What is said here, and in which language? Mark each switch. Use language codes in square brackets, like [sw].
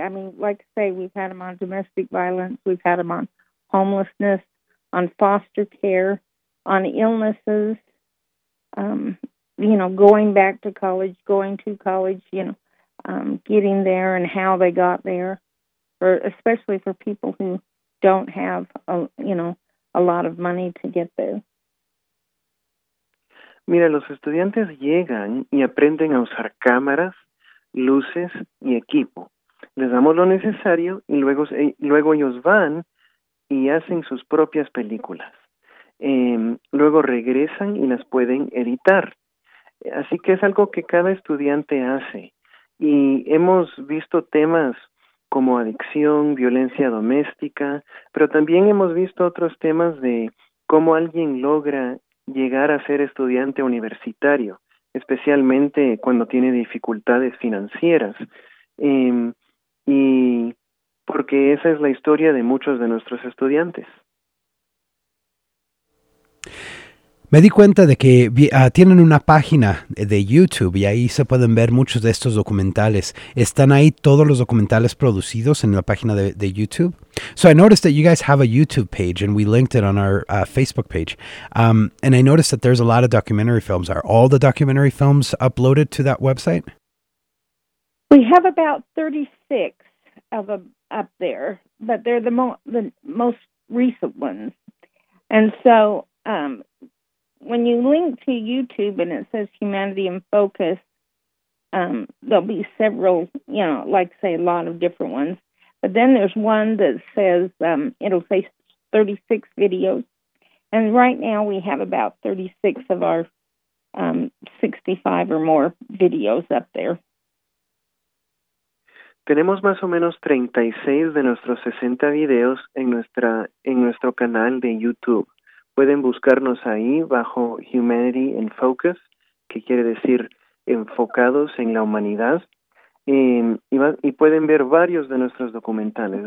[en] I mean, like I say, we've had them on domestic violence. We've had them on homelessness, on foster care, on illnesses, you know, going back to college, going to college, you know, getting there and how they got there, especially for people who don't have, a lot of money to get there. [es] Mira, los estudiantes llegan y aprenden a usar cámaras, luces y equipo. Les damos lo necesario y luego ellos van y hacen sus propias películas. Luego regresan y las pueden editar. Así que es algo que cada estudiante hace, y hemos visto temas como adicción, violencia doméstica, pero también hemos visto otros temas de cómo alguien logra llegar a ser estudiante universitario, especialmente cuando tiene dificultades financieras, y porque esa es la historia de muchos de nuestros estudiantes. Me di cuenta de que tienen una página de YouTube y ahí se pueden ver muchos de estos documentales. ¿Están ahí todos los documentales producidos en la página de YouTube? [en] So I noticed that you guys have a YouTube page and we linked it on our Facebook page. And I noticed that there's a lot of documentary films. Are all the documentary films uploaded to that website? We have about 36 of them up there, but they're the most recent ones. And so when you link to YouTube and it says Humanity in Focus, there'll be several, you know, like say a lot of different ones. But then there's one that says, it'll say 36 videos. And right now we have about 36 of our 65 or more videos up there. [es] Tenemos más o menos 36 de nuestros 60 videos en nuestro canal de YouTube. Pueden buscarnos ahí bajo Humanity in Focus, que quiere decir enfocados en la humanidad, y pueden ver varios de nuestros documentales.